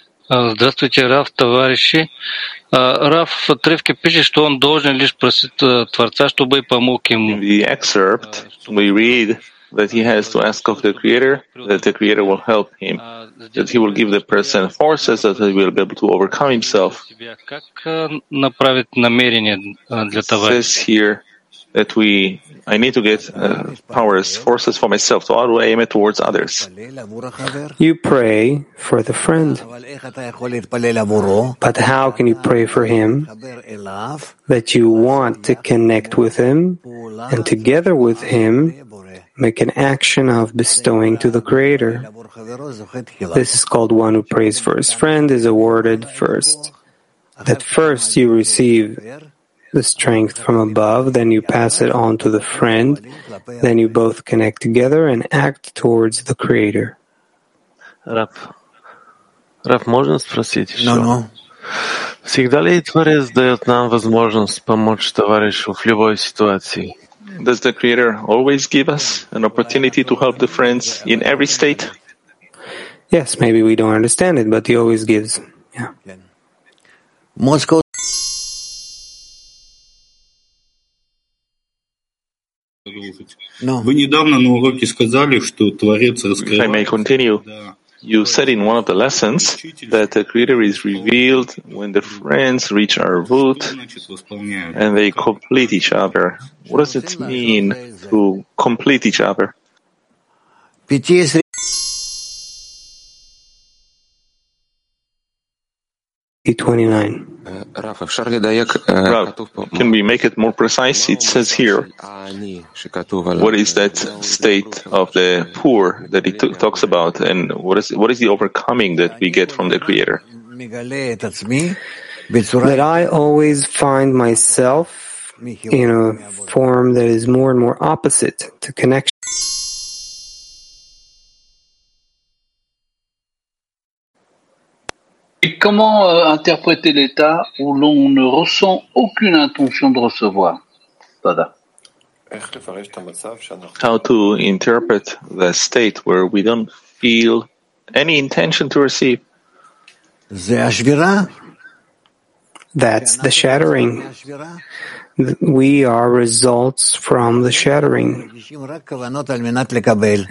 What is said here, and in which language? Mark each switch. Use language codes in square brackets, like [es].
[ru] Здравствуйте, Раф, товарищи. Раф в отрывке пишет, что он должен лишь просить Творца, чтобы помог ему. [en] In the excerpt, we read that he has to ask of the Creator, that the Creator will help him, that he will give the person forces that he will be able to overcome himself. [ru] Как направить намерение для товарища? [en] It says here that I need to get powers, forces for myself, so how do I aim it towards others? You pray for the friend. But how can you pray for him that you want to connect with him and together with him make an action of bestowing to the Creator? This is called one who prays for his friend is awarded first. That first you receive the strength from above, then you pass it on to the friend, then you both connect together and act towards the Creator. [ru] Раб, Раб, можно спросить еще? [en] No. [ru] Всегда ли Творец дает нам возможность помочь товарищу в любой ситуации? [en] Does the Creator always give us an opportunity to help the friends in every state? Yes, maybe we don't understand it, but He always gives. Yeah. Moscow. No. [ru] Вы недавно на уроке сказали, что Творец раскрывается. [en] If I may continue, you said in one of the lessons that the Creator is revealed when the friends reach Arvut and they complete each other. What does it mean to complete each other? Can we make it more precise? It says here, what is that state of the poor that he talks about, and what is the overcoming that we get from the Creator? That I always find myself in a form that is more and more opposite to connection. [fr] Comment interpréter l'état où l'on ne ressent aucune intention de recevoir? Tada. [en] How to interpret the state where we don't feel any intention to receive? That's the shattering. We are results from the shattering.